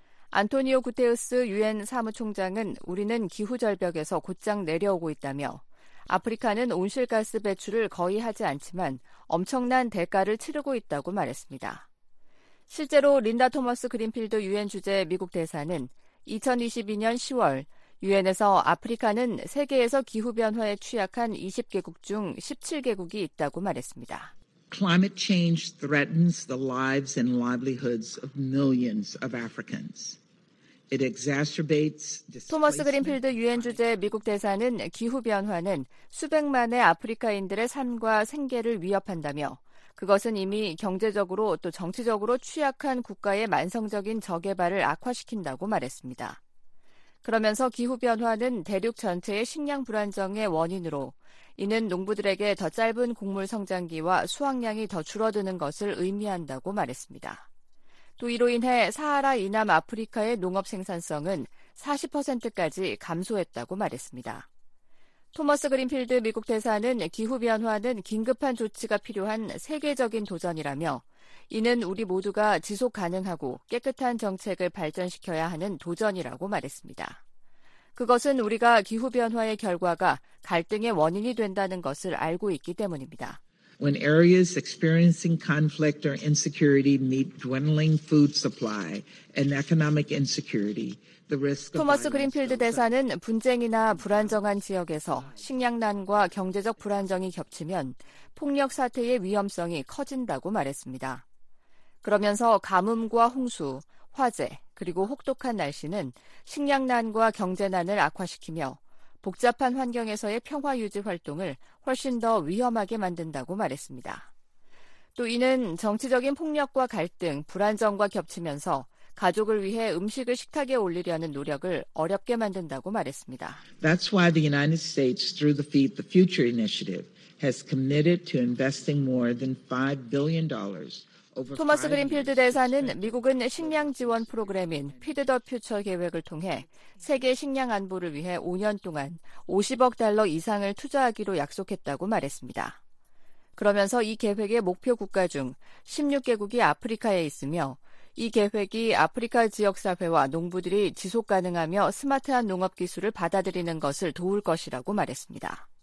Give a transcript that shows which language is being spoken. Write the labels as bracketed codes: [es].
[ko] 안토니오 구테우스 유엔 사무총장은 우리는 기후절벽에서 곧장 내려오고 있다며 아프리카는 온실가스 배출을 거의 하지 않지만 엄청난 대가를 치르고 있다고 말했습니다. 실제로 린다 토머스 그린필드 유엔 주재 미국 대사는 2022년 10월 유엔에서 아프리카는 세계에서 기후변화에 취약한 20개국 중 17개국이 있다고 말했습니다. [en] Climate change threatens the lives and livelihoods of millions of Africans. It exacerbates. [ko] 토머스 그린필드 유엔 주재 미국 대사는 기후변화는 수백만의 아프리카인들의 삶과 생계를 위협한다며 그것은 이미 경제적으로 또 정치적으로 취약한 국가의 만성적인 저개발을 악화시킨다고 말했습니다. 그러면서 기후변화는 대륙 전체의 식량 불안정의 원인으로 이는 농부들에게 더 짧은 곡물 성장기와 수확량이 더 줄어드는 것을 의미한다고 말했습니다. 또 이로 인해 사하라 이남 아프리카의 농업 생산성은 40%까지 감소했다고 말했습니다. 토머스 그린필드 미국 대사는 기후변화는 긴급한 조치가 필요한 세계적인 도전이라며 이는 우리 모두가 지속 가능하고 깨끗한 정책을 발전시켜야 하는 도전이라고 말했습니다. 그것은 우리가 기후변화의 결과가 갈등의 원인이 된다는 것을 알고 있기 때문입니다. [en] When areas experiencing conflict or insecurity meet dwindling food supply and economic insecurity, the risk of [ko] 토머스 그린필드 대사는 분쟁이나 불안정한 지역에서 식량난과 경제적 불안정이 겹치면 폭력 사태의 위험성이 커진다고 말했습니다. 그러면서 가뭄과 홍수, 화재, 그리고 혹독한 날씨는 식량난과 경제난을 악화시키며 복잡한 환경에서의 평화 유지 활동을 훨씬 더 위험하게 만든다고 말했습니다. 또 이는 정치적인 폭력과 갈등, 불안정과 겹치면서 가족을 위해 음식을 식탁에 올리려는 노력을 어렵게 만든다고 말했습니다. [en] That's why the United States through the Feed the Future Initiative has committed to investing more than $5 billion. [ko] 토머스 그린필드 대사는 미국은 식량 지원 프로그램인 피드 더 퓨처 계획을 통해 세계 식량 안보를 위해 5년 동안 50억 달러 이상을 투자하기로 약속했다고 말했습니다. 그러면서 이 계획의 목표 국가 중 16개국이 아프리카에 있으며 이 계획이 아프리카 지역 사회와 농부들이 지속 가능하며 스마트한 농업 기술을 받아들이는 것을 도울 것이라고 말했습니다.